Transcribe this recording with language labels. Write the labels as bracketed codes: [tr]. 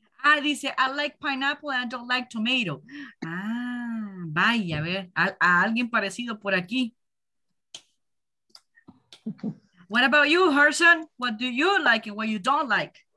[es] Ah, dice, [en] I like pineapple and I don't like tomato. [es] Ah, vaya, a ver, a alguien parecido por aquí. [en] What about you, Herson? What do you like and what you don't like?